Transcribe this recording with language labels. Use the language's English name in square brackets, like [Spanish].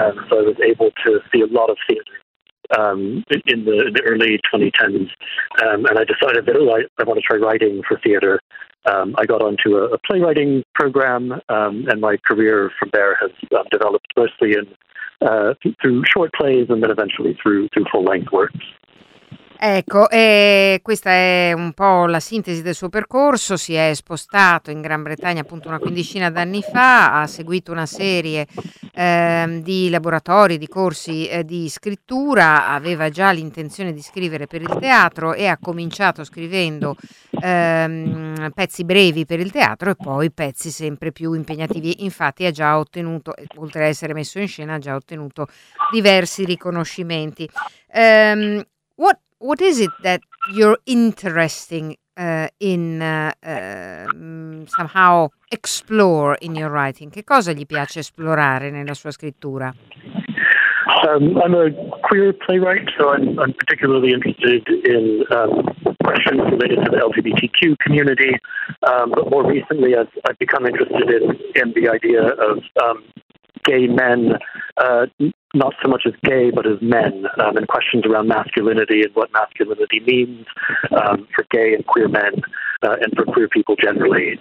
[English] So I was able to see a lot of theatre in the early 2010s. And I decided that, I want to try writing for theatre. I got onto a playwriting program, and my career from there has developed mostly in through short plays and then eventually through full-length works. [Italian] Ecco, questa è un po' la sintesi del suo percorso. Si è spostato in Gran Bretagna appunto una quindicina d'anni fa, ha seguito una serie di laboratori, di corsi di scrittura, aveva già l'intenzione di scrivere per il teatro e ha cominciato scrivendo pezzi brevi per il teatro e poi pezzi sempre più impegnativi. Infatti ha già ottenuto, oltre a essere messo in scena, ha già ottenuto diversi riconoscimenti. [English] What is it that you're interesting somehow explore in your writing? [Italian] Che cosa gli piace esplorare nella sua scrittura? [English] I'm a queer playwright, so I'm particularly interested in questions related to the LGBTQ community. But more recently, I've become interested in the idea of gay men. Not so much as gay, but as men, and questions around masculinity and what masculinity means for gay and queer men and for queer people generally.